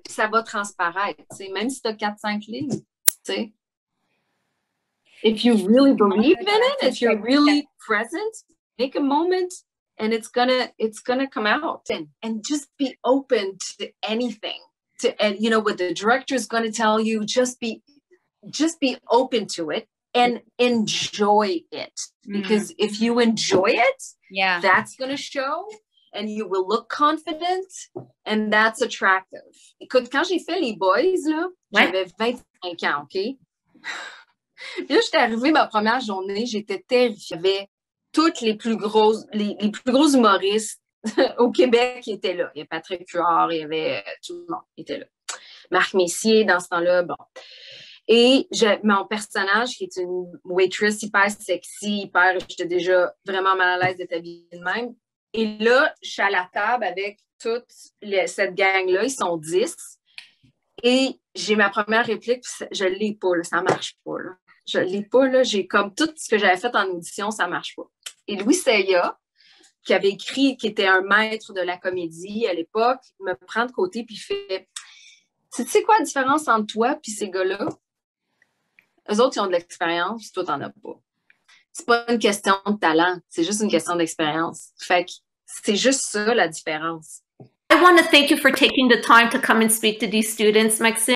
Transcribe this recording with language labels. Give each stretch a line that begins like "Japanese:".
French: Puis ça va transparaître, tu sais, même si t'as 4-5 lignes, tu sais.
English: If you really believe in it, if you're really present, make a moment and it's gonna come out. And just be open to anything. And you know what the director is going to tell you, just be open to it and enjoy it, because if you enjoy it, yeah, that's going to show, and you will look confident, and that's attractive.
French: Écoute, quand j'ai fait les boys là, j'avais 25 ans, ok. Puis là, j'étais arrivée ma première journée, j'étais terrifiée. J'avais toutes les plus gros humoristes au Québec, il était là. Il y avait Patrick Huard, il y avait tout le monde qui était là. Marc Messier, dans ce temps-là, bon. Et mon personnage, qui est une waitress hyper sexy, hyper, j'étais déjà vraiment mal à l'aise d'être habillée de même. Et là, je suis à la table avec toute cette gang-là, ils sont 10. Et j'ai ma première réplique, puis je ne l'ai pas, là, ça ne marche pas. Là. Je ne l'ai pas, là, j'ai comme tout ce que j'avais fait en audition, ça ne marche pas. Et Louis Seya, qui avait écrit, qui était un maître de la comédie à l'époque, me prend de côté puis fait, tu sais quoi la différence entre toi puis ces gars-là? Eux autres, ils ont de l'expérience, toi, t'en as pas. C'est pas une question de talent, c'est juste une question d'expérience. Fait que c'est juste ça, la différence.
English: I want to thank you for taking the time to come and speak to these students, Maxime.